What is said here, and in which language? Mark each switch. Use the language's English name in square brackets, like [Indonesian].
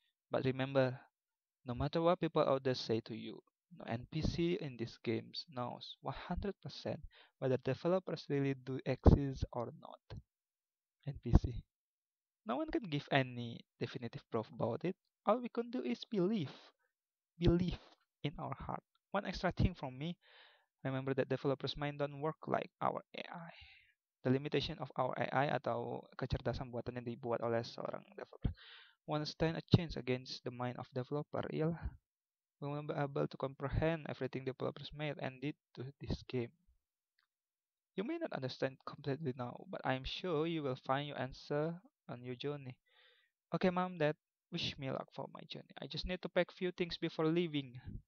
[English] But remember, no matter what people out there say to you, no NPC in these games knows 100% whether developers really do exist or not. NPC. No one can give any definitive proof about it. All we can do is believe. Believe in our heart. One extra thing from me. Remember that developers' mind don't work like our AI. The limitation of our AI [Indonesian] atau kecerdasan buatan yang dibuat oleh seorang developer. [English] Want to stand a chance against the mind of developer, iyalah. We won't be able to comprehend everything developers made and did to this game. You may not understand completely now, but I'm sure you will find your answer on your journey. Okay, mom, dad, wish me luck for my journey. I just need to pack few things before leaving.